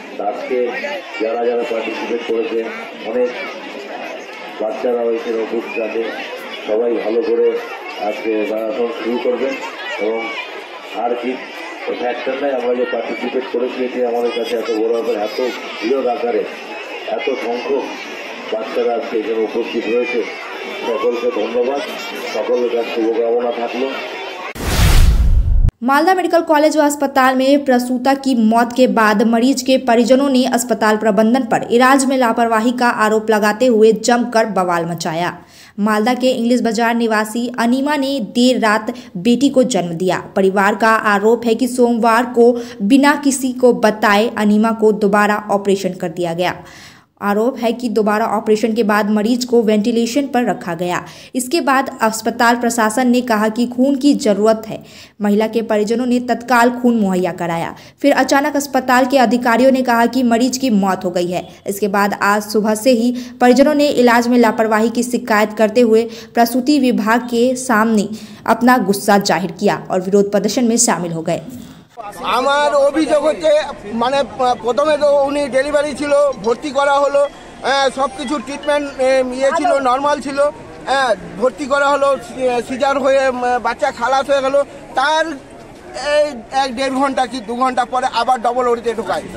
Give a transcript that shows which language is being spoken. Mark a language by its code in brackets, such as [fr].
[bn] আজকে যারা যারা পার্টিসিপেট করেছে অনেক বাচ্চারা হয়েছে অভুক যাতে সবাই ভালো করে আজকে ম্যারাথন শুরু করবেন। এবং আর কি ফ্যাক্টর নাই, আমরা যে পার্টিসিপেট করেছি এটি আমাদের কাছে এত বড় ব্যাপার, এত বৃহৎ আকারে এত সংখ্যক বাচ্চারা আজকে এখানে উপস্থিত রয়েছে। [hi] मालदा मेडिकल कॉलेज व अस्पताल में प्रसूता की मौत के बाद मरीज के परिजनों ने अस्पताल प्रबंधन पर इलाज में लापरवाही का आरोप लगाते हुए जमकर बवाल मचाया। मालदा के इंग्लिश बाजार निवासी अनीमा ने देर रात बेटी को जन्म दिया। परिवार का आरोप है कि सोमवार को बिना किसी को बताए अनीमा को दोबारा ऑपरेशन कर दिया गया। आरोप है कि दोबारा ऑपरेशन के बाद मरीज को वेंटिलेशन पर रखा गया। इसके बाद अस्पताल प्रशासन ने कहा कि खून की जरूरत है। महिला के परिजनों ने तत्काल खून मुहैया कराया। फिर अचानक अस्पताल के अधिकारियों ने कहा कि मरीज की मौत हो गई है। इसके बाद आज सुबह से ही परिजनों ने इलाज में लापरवाही की शिकायत करते हुए प्रसूति विभाग के सामने अपना गुस्सा जाहिर किया और विरोध प्रदर्शन में शामिल हो गए। [bn] আমার অভিযোগ হচ্ছে মানে প্রথমে তো উনি ডেলিভারি ছিল, ভর্তি করা হলো, সব কিছু ট্রিটমেন্ট ইয়ে ছিল, নর্মাল ছিল, ভর্তি করা হলো, সিজার হয়ে বাচ্চা খালাস হয়ে গেল, তার এই এক দেড় ঘন্টা কি দু ঘন্টা পরে আবার ডবল ওড়িতে ঢুকায়।